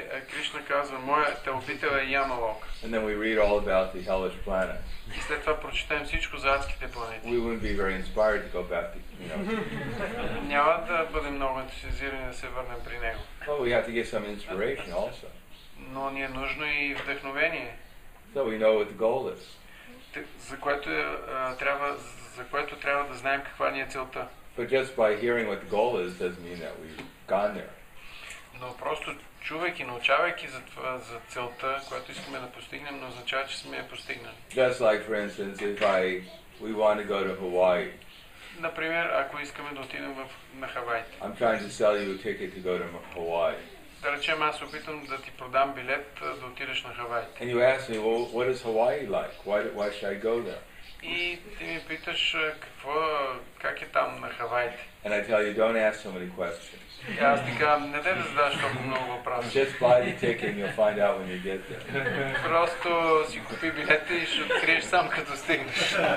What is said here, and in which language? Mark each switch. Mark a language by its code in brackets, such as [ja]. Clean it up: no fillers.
[bg] Кришна казва, моя телопител е Ямалок. [en] And then we read all about the hellish planet. [bg] И след това прочитаем всичко за адските планети. [en] We wouldn't be very inspired to go back to, you know. [bg] Няма да бъдем много ентусиазирани да се върнем при него. [en] But we have to get some inspiration also. [bg] Но ни е нужно и вдъхновение. [en] So we know what the goal is. [bg] За което трябва да знаем каква ни е целта. [en] But just by hearing what the goal is doesn't mean that we've gone there. [bg] Но просто чувайки, научавайки за това, за целта, която искаме да постигнем, не означава, че сме я постигнали. [en] Just like, for instance, if we want to go to Hawaii. [bg] Например, ако искаме да отидем на Хавайите. [en] I'm trying to sell you a ticket to go to Hawaii. [bg] Да речем, аз опитам да ти продам билет да отидеш на Хавайите. [en] And you ask me, well, what is Hawaii like? Why should I go there? [bg] И ти ми питаш какво, как е там на Хавайите. [en] And I tell you, don't ask so many questions. [bg] Аз ти казвам, не дай да задаш толкова много въпроси. [en] Just buy the ticket and you'll find out when you get there. [bg] Просто си купи билета и ще откриеш сам като стигнеш.